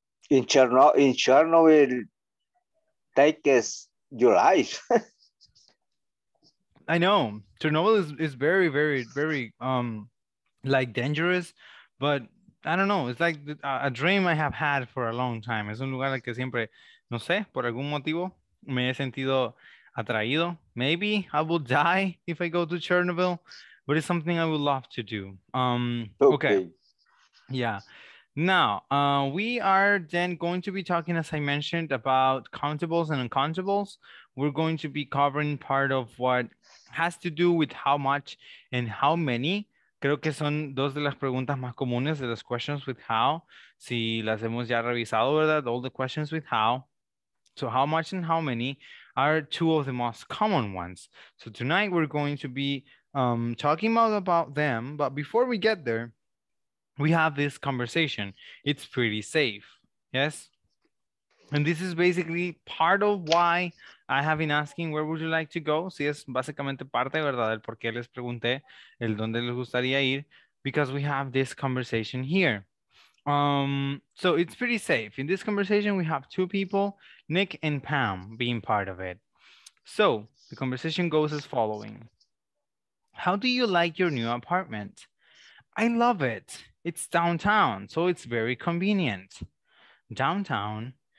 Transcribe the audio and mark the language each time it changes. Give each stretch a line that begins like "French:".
English: In Chernobyl takes your life. I know Chernobyl is very, very, very like dangerous, but I don't know. It's like a dream I have had for a long time.
Spanish: Es un lugar al que siempre, no sé, por algún motivo me he sentido atraído.
English: Maybe I will die if I go to Chernobyl, but it's something I would love to do. Okay. Yeah. Now, we are then going to be talking, as I mentioned, about countables and uncountables. We're going to be covering part of what has to do with how much and how many.
Spanish: Creo que son dos de las preguntas más comunes de las
English: questions with how.
Spanish: Si las hemos ya revisado, ¿verdad?
English: All the questions with how. So how much and how many. are two of the most common ones. So tonight we're going to be talking about them. But before we get there, we have this conversation. It's pretty safe. Yes. And this is basically part of why I have been asking, where would you like to go?
Spanish: Sí, es básicamente parte, ¿verdad? El por qué les pregunté el dónde les gustaría ir.
English: Because we have this conversation here. So it's pretty safe. In this conversation, we have two people, Nick and Pam, being part of it. So the conversation goes as following. How do you like your new apartment? I love it. It's downtown, so it's very convenient. Downtown?